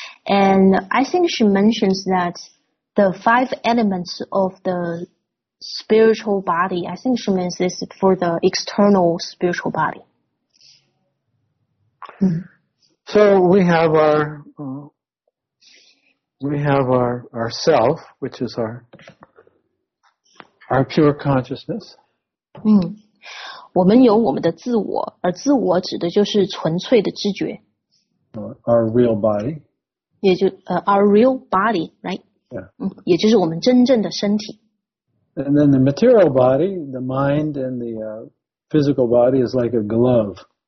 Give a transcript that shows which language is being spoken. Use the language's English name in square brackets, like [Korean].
[English] And I think she mentions that the five elements of the spiritual body, I think she means this for the external spiritual body. So we have our self, which is our pure consciousness. [Chinese] 我们有我们的自我, 而自我指的就是纯粹的知觉。 [English] Our real body. 也就, our real body, right? Yeah. [Chinese] 也就是我们真正的身体。 [English] And then the material body, the mind and the physical body is like a glove.